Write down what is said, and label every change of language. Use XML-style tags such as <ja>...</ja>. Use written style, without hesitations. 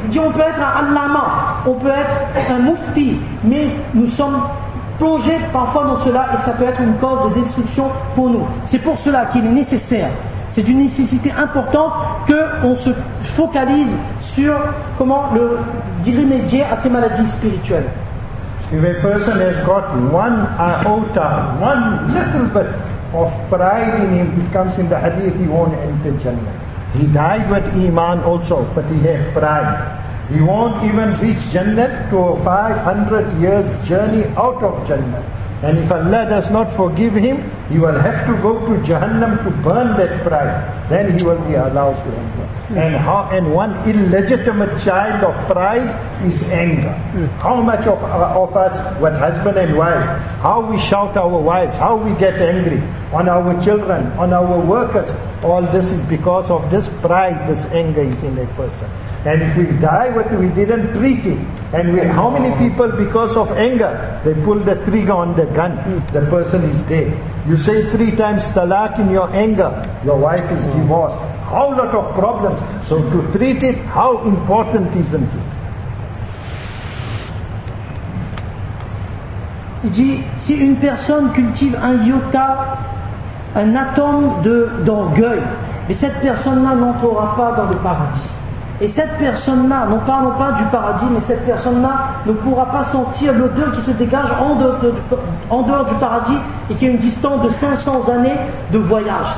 <fr>Il dit, on peut être un allama, on peut être un mufti, mais nous sommes plongé parfois dans cela et ça peut être une cause de destruction pour nous. C'est pour cela qu'il est nécessaire, c'est d'une nécessité importante qu'on se focalise sur comment le remédier à ces maladies spirituelles.</fr> <en>If a person has got one iota, one little bit of pride in him, it comes in the hadith, he won't enter Jannah. He died with Iman also, but he had pride. He won't even reach Jannah to a 500 years journey out of Jannah. And if Allah does not forgive him, he will have to go to Jahannam to burn that pride. Then he will be allowed to enter. And one illegitimate child of pride is anger. How much of us, when husband and wife, how we shout our wives, how we get angry on our children, on our workers, all this is because of this pride, this anger is in a person. And if we die, what we didn't treat it. And how many people, because of anger, they pull the trigger on the gun, the person is dead. You say three times talaq in your anger, your wife is divorced. How lot of problems. So to treat it, how important isn't it?</en> <fr>Il dit, si une personne cultive un iota, un atome d'orgueil, mais cette personne-là n'entrera pas dans le paradis. Et cette personne-là, non parlons pas du paradis, mais cette personne-là ne pourra pas sentir l'odeur qui se dégage en dehors du paradis et qui est une distance de 500 années de voyage.</fr>